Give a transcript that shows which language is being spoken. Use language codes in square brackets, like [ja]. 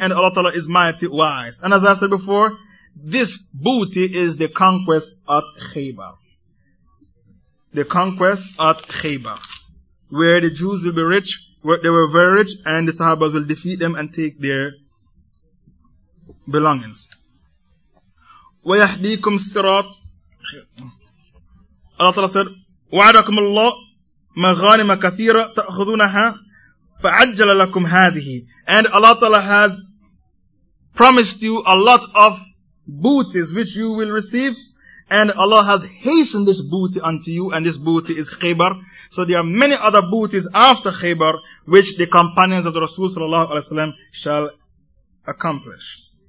[en] And Allah Ta'ala is mighty wise. And as I said before, this booty is the conquest at Khaybar. The conquest at Khaybar, where the Jews will be rich, where they were very rich, and the Sahabas will defeat them and take their belongings. [ar] وَيَحْدِيكُمْ سِرَاطٍ. [en] Allah Ta'ala said, [ar] وَعَدَكُمُ اللَّهُ مَغَانِمَ كَثِيرًا تَأْخُذُونَهَا فَعَجَّلَ لَكُمْ هَذِهِ. [en] And Allah Ta'ala has promised you a lot of booties which you will receive, and Allah has hastened this booty unto you, and this booty is Khaybar. So there are many other booties after Khaybar which the companions of the Rasul Sallallahu Alaihi Wasallam shall accomplish.